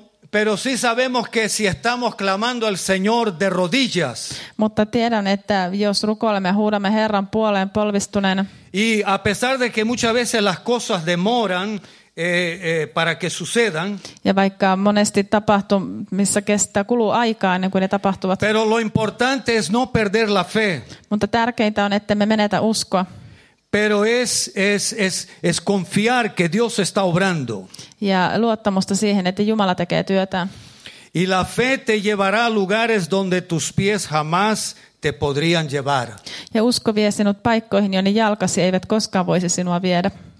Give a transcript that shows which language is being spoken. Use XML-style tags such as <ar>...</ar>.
<es>Pero sí sabemos que si estamos clamando al Señor de rodillas.</es> <fi>Mutta tiedän, että jos rukoilemme ja huudamme Herran puoleen polvistuneena.</fi> <es>Y a pesar de que muchas veces las cosas demoran para que sucedan.</es> <fi>Ja vaikka monesti tapahtuu, missä kestää kuluu aikaa ennen kuin ne tapahtuvat.</fi> <es>Pero lo importante es no perder la fe.</es> <fi>Mutta tärkeintä on, että me menetä uskoa.</fi> <es>Pero es confiar que Dios está obrando.</es> <fi>Ja luottamusta siihen, että Jumala tekee työtään.</fi> <es>Y la fe te llevará a lugares donde tus pies jamás te podrían llevar.</es> <fi>Ja usko vie sinut paikkoihin, jonne jalkasi eivät koskaan voisi sinua viedä.</fi>